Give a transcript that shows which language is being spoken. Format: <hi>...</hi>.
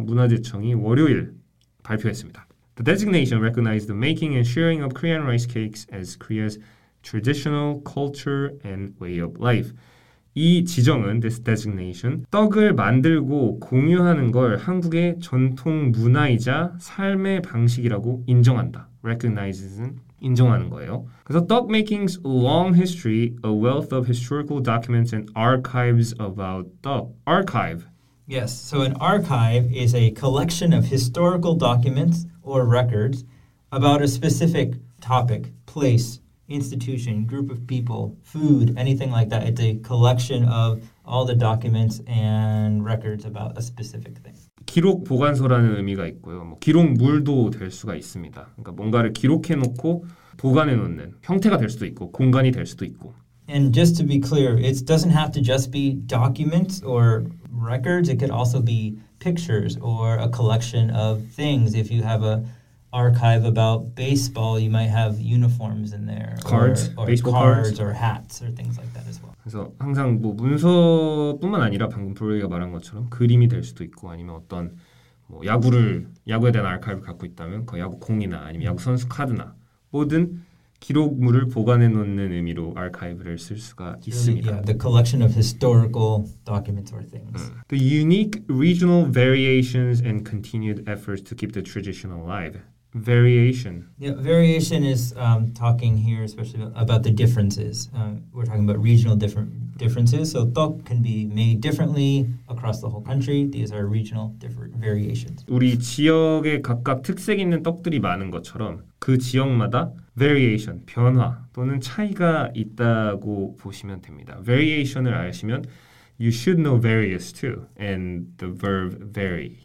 <ko>문화재청이 월요일 발표했습니다.</ko> <en>The designation recognized the making and sharing of Korean rice cakes as Korea's traditional culture and way of life.</en> <ko>이 지정은</ko> <en>this designation</en> <ko>떡을 만들고 공유하는 걸 한국의 전통 문화이자 삶의 방식이라고 인정한다.</ko> <en>recognizes는</en> <ko>인정하는 거예요. 그래서</ko> <en>떡 making's long history, a wealth of historical documents and archives about 떡. archive. Yes, so an archive is a collection of historical documents or records about a specific topic, place, institution, group of people, food, anything like that. It's a collection of all the documents and records about a specific thing.</en> <ko>기록 보관소라는 의미가 있고요. 뭐 기록물도 될 수가 있습니다. 그러니까 뭔가를 기록해 놓고 보관해 놓는 형태가 될 수도 있고 공간이 될 수도 있고.</ko> <en>And just to be clear, it doesn't have to just be documents or records. It could also be pictures or a collection of things. If you have a archive about baseball, you might have uniforms in there. Cards, or baseball cards or hats or things like that as well.</en> <ko>그래서 항상 뭐 문서뿐만 아니라 방금 브로이가 말한 것처럼 그림이 될 수도 있고 아니면 어떤 뭐 야구를 야구에 대한 아카이브 갖고 있다면 그 야구 공이나 아니면 야구 선수 카드나 모든 기록물을 보관해 놓는 의미로 아카이브를 쓸 수가 있습니다.</ko> <en>Yeah, the collection of historical documents or things. The unique regional variations and continued efforts to keep the tradition alive. Variation. Yeah, variation is talking here especially about the differences. We're talking about regional differences. So tteok can be made differently across the whole country. These are regional different variations.</en> <ko>우리 지역에 각각 특색 있는 떡들이 많은 것처럼 그 지역마다 variation, 변화 또는 차이가 있다고 보시면 됩니다.</ko> <en>Variation을</en> <ko>아시면</ko> <en>you should know various too and the verb vary.</en>